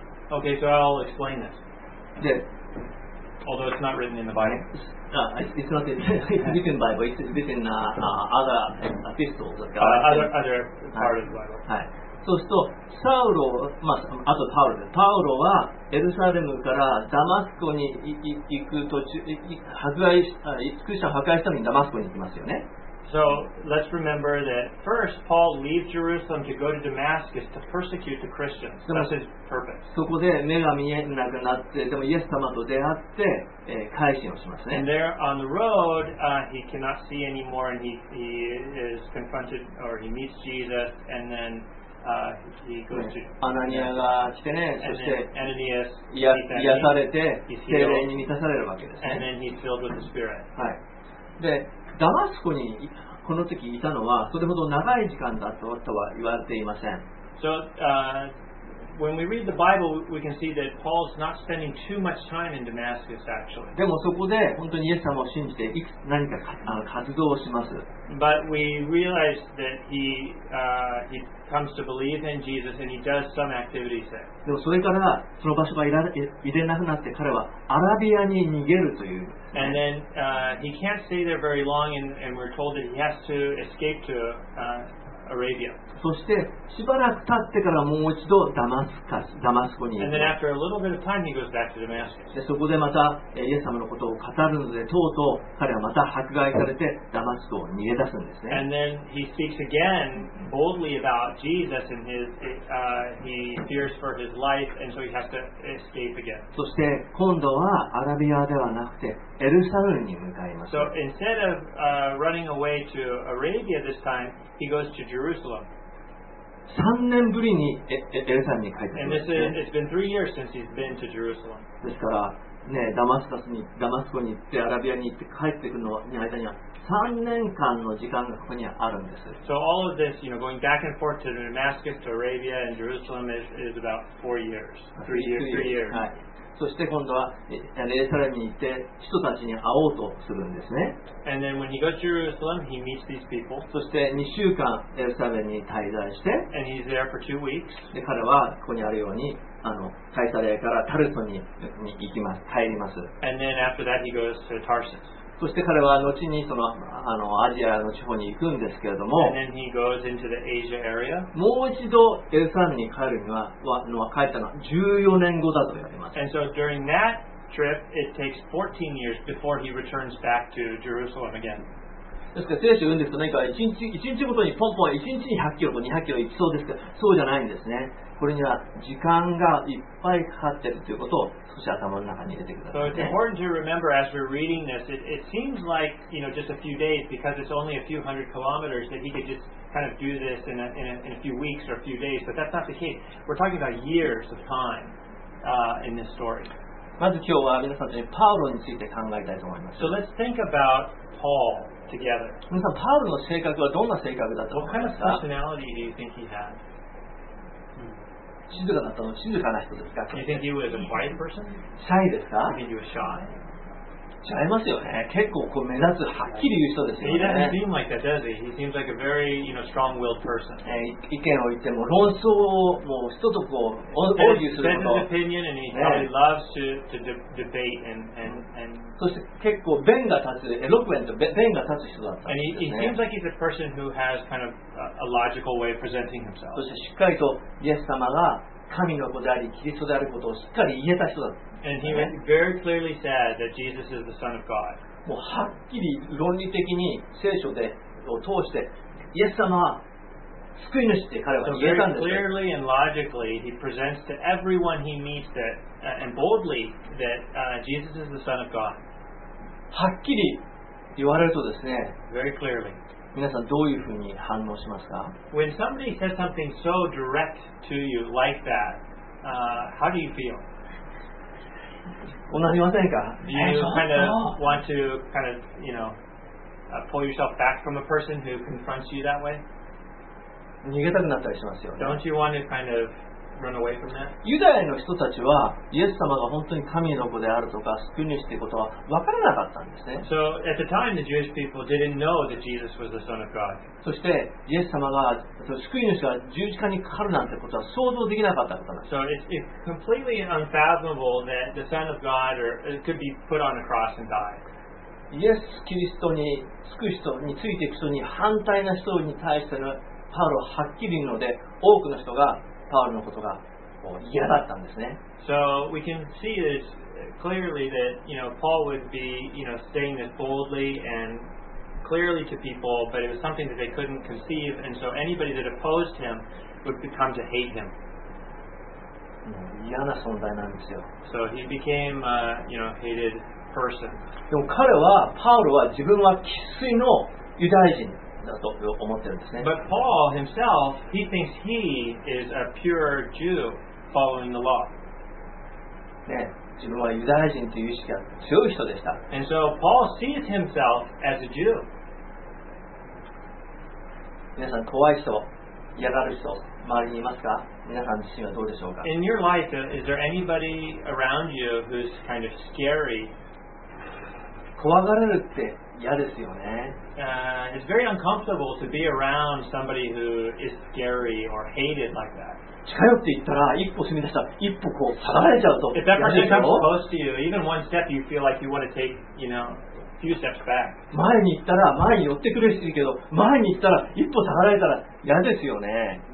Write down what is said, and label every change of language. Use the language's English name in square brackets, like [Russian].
[English] Okay, so I'll explain this. [Japanese] で、 [English] although it's not written in the Bible. It's not in written Bible. It's written other epistles. Other part of the Bible. [Japanese] はい。そうすると、サウロ、まあ、あとパウロです。パウロはエルサレムからダマスコに行く途中、迫害した、クリスチャンを迫害したのにダマスコに行きますよね。 [English] So let's remember that first Paul leaves Jerusalem to go to Damascus to persecute the Christians. That's his purpose. [Japanese] そこで目が見えなくなって、でもイエス様と出会って、改心をしますね。 [English] And there on the road, he cannot see anymore, and he is confronted, or he meets Jesus, and then he goes to. [Japanese] アナニアが来てね、そして、 [English] Ananias、 [Japanese] 癒されて、聖霊に満たされるわけですね。 [English] And then he's filled with the Spirit. [Japanese] はい。で、ダマスコにこの時いたのはそれほど長い時間だったとは言われていません。 [English] So, when we read the Bible, we can see that Paul's not spending too much time in Damascus, actually. [Japanese] でもそこで本当にイエス様を信じて活動をします。 [English] But we realize that he comes to believe in Jesus and he does some activities there. [Japanese] でもそれからその場所がいれなくなって彼はアラビアに逃げるという。 [English] And then he can't stay there very long and we're told that he has to escape to Arabia. [Japanese] そしてしばらく経ってからもう一度ダマスコに行く。 [English] And then after a little bit of time he goes back to Damascus. [Japanese] でそこでまたイエス様のことを語るのでとうとう彼はまた迫害されてダマスコを逃げ出すんですね。 [English] And then he speaks again boldly about Jesus and he fears for his life and so he has to escape again. [Japanese] そして今度はアラビアではなくてエルサレムに向かいます。 [English] So instead of running away to Arabia this time, he goes to Jerusalem. [Japanese] 3年ぶりにエルサレムに帰ってきます。 [English] And it's been 3 years since he's been to Jerusalem. [Japanese] ですから、ね、ダマスコに行ってアラビアに行って帰ってくるのに間には3年間の時間がここにあるんです。 [English] So all of this, you know, going back and forth to Damascus, to Arabia and Jerusalem is about 4 years. Three years. [Japanese] はい。そして今度はエルサレムに行って人たちに会おうとするんですね。 [English] And then when he goes to Jerusalem, he meets these people. [Japanese] そして2週間エルサレムに滞在して、 [English] And he's there for 2 weeks. [Japanese] で彼はここにあるようにカイサレからタルソに行きます、帰ります。 [English] And then after that he goes to Tarsus. [Japanese] そして彼は後にそのアジアの地方に行くんですけれども、 [English] And then he goes into the Asia area. [Japanese] もう一度エルサレムに帰るには、帰ったのは14年後だと言われます。 [English] And so during that trip, it takes 14 years before he returns back to Jerusalem again. [Japanese] ですから聖書を読んでいくと何か1日ごとにポンポン1日に100キロと200キロ行きそうですけど、そうじゃないんですね。これには時間がいっぱいかかっているということを少し頭の中に入れてください、ね。 [English] So it's important to remember as we're reading this, it seems like, you know, just a few days because it's only a few hundred kilometers that he could just kind of do this in a few weeks or a few days, but that's not the case. We're talking about years of time, in this story. [Japanese] まず今日は皆さんとパウロについて考えたいと思います。 [English] So let's think about Paul. [Japanese] 皆さん、パウロの性格はどんな性格だったのか。 [English] What kind of personality do you think he had? [Japanese] 静かだったの、静かな人ですか。 [English] You think he was a quiet person? [Japanese] シャイですか。 [English] You think he was shy? [Japanese] 違いますよね。結構こう目立つ、はっきり言う人ですよね。 [English] He doesn't seem like that, does he? He seems like a very, you know, strong-willed person. [Japanese] 意見を言っても論争をもう人とこう応酬すること。 [English] Spends his opinion and he probably loves to debate and [Japanese] そして結構弁が立つ、エロクエント、弁が立つ人だったんですね。 [English] And he seems like he's a person who has kind of a logical way of presenting himself. [Japanese] そしてしっかりとイエス様が神の子であり、キリストであることをしっかり言えた人だった。 [English] And he very clearly said that Jesus is the Son of God. [Japanese] もうはっきり論理的に聖書でを通してイエス様は救い主って彼は言えたんです。 [English] So very clearly and logically he presents to everyone he meets that and boldly that Jesus is the Son of God. [Japanese] はっきり言われるとですね。 [English] Very clearly. [Japanese] 皆さんどういうふうに反応しますか? [English] When somebody says something so direct to you like that, how do you feel? [Japanese] 同じませんか? [English] Do you kind of want to kind of, you know, pull yourself back from a person who confronts you that way? [Japanese] 逃げたくなったりしますよね。 [English] Don't you want to kind of run away from that? [Japanese] ユダヤの人たちはイエス様が本当に神の子であるとか救い主ということは分からなかったんですね。 [English] So at the time the Jewish people didn't know that Jesus was the Son of God. [Japanese] そしてイエス様が救い主が十字架にかかるなんてことは想像できなかったことなんです。 [English] So it's completely unfathomable that the Son of God or could be put on a cross and die. [Japanese] イエス・キリストに着く人についていく人に反対な人に対してのパウロははっきり言うので多くの人がパウロのことが嫌だったんですね。 [English] So we can see this clearly that, you know, Paul would be, you know, saying this boldly and clearly to people, but it was something that they couldn't conceive, and so anybody that opposed him would come to hate him. [Japanese] 嫌な存在なんですよ。 [English] So he became, you know, hated. Person. [Japanese] でも彼はパウロは自分は生粋のユダヤ人だと思ってるんですね。 [English] But Paul himself, he thinks he is a pure Jew following the law. [Japanese] ね、自分はユダヤ人という意識が強い人でした。 [English] And so Paul sees himself as a Jew. [Japanese] 皆さん怖い人、嫌がる人、周りにいますか？皆さん自身はどうでしょうか [English] ？In your life, is there anybody around you who's kind of scary? [Japanese] 怖がれるって嫌ですよね。 [English] It's very uncomfortable to be around somebody who is scary or hated like that. [Japanese] 近寄って行ったら一歩踏み出したら一歩こう下がれちゃうと。 [English] If that person comes close to you, even one step, you feel like you want to take, you know, few steps back. [Japanese] 前に行ったら前に寄ってくれるけど、前に行ったら一歩下がられたら嫌ですよね。